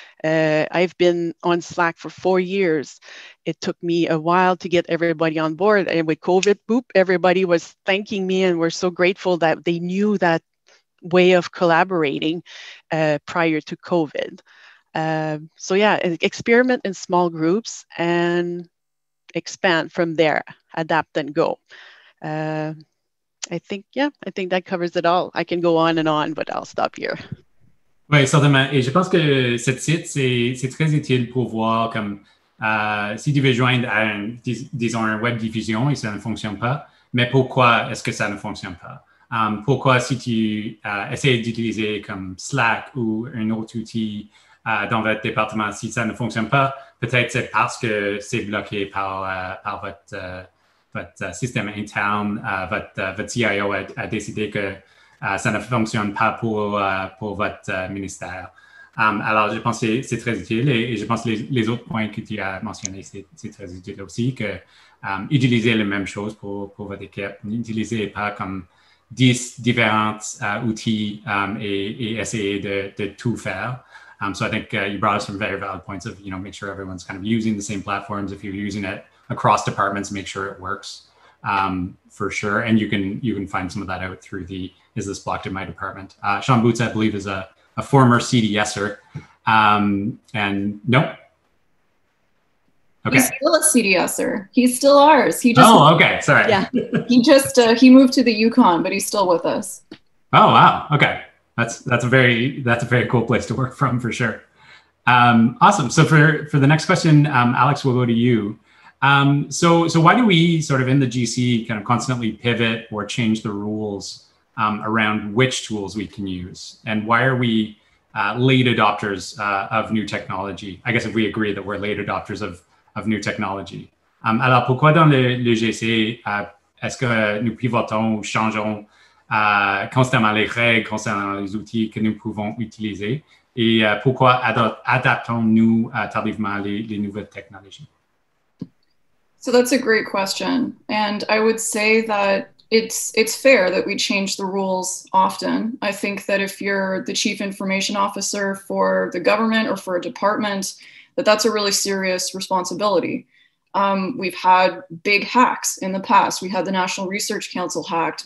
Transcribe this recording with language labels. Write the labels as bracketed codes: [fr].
[en] I've been on Slack for 4 years. It took me a while to get everybody on board, and with COVID, boop, everybody was thanking me and were so grateful that they knew that way of collaborating prior to COVID. Experiment in small groups and expand from there, adapt and go. I think that covers it all. I can go on and on, but I'll stop here. [fr] Oui, certainement. Et je pense que ce titre, c'est très utile pour voir comme si tu veux joindre à un web diffusion et ça ne fonctionne pas, mais pourquoi est-ce que ça ne fonctionne pas? Pourquoi si tu essaies d'utiliser comme Slack ou un autre outil dans votre département, si ça ne fonctionne pas, peut-être c'est parce que c'est bloqué par votre système interne, votre CIO a décidé que ça ne fonctionne pas pour votre ministère. Alors, je pense que c'est très utile et je pense que les autres points que tu as mentionnés, c'est très utile aussi, que utiliser la même chose pour votre équipe, n'utilisez pas comme 10 différents outils et essayer de tout faire. [en] So I think you brought up some very valid points of, you know, make sure everyone's kind of using the same platforms. If you're using it across departments, make sure it works for sure. And you can find some of that out through the, is this blocked in my department? Sean Boots, I believe, is a former CDSer. And no? Okay. He's still a CDSer. He's still ours. He just Okay. Sorry. Yeah. He just, he moved to the Yukon, but he's still with us. Oh, wow. Okay. That's a very cool place to work from for sure. Awesome. So for the next question, Alex, we'll go to you. So why do we sort of in the GC kind of constantly pivot or change the rules around which tools we can use? And why are we late adopters of new technology? I guess if we agree that we're late adopters of new technology. [fr] Alors pourquoi dans le GC, est-ce que nous pivotons ou changeons constamment les règles concernant les outils que nous pouvons utiliser et pourquoi adaptons-nous tardivement les nouvelles technologies? [en] So that's a great question. And I would say that it's fair that we change the rules often. I think that if you're the chief information officer for the government or for a department, that's a really serious responsibility. We've had big hacks in the past. We had the National Research Council hacked.